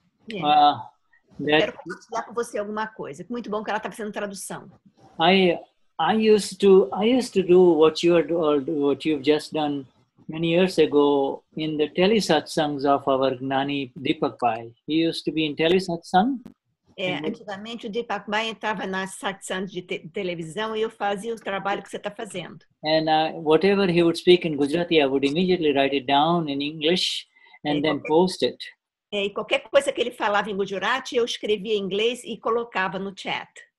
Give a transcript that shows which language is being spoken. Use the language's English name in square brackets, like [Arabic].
[Portuguese] Yeah. Quero compartilhar com você alguma coisa. Muito bom que ela está fazendo tradução. [English] I used to do what you are what you've just done many years ago in the telesatsangs of our Gnani Deepak Pai. He used to be in telesatsang. [Portuguese] É, antigamente o Deepak Bhai entrava nas satsangs de televisão e eu fazia o trabalho que você está fazendo. [English] And whatever he would speak in Gujarati, I would immediately write it down in English and then post it. [Portuguese] É, e qualquer coisa que ele falava em Gujarati, eu escrevia em inglês e colocava no chat.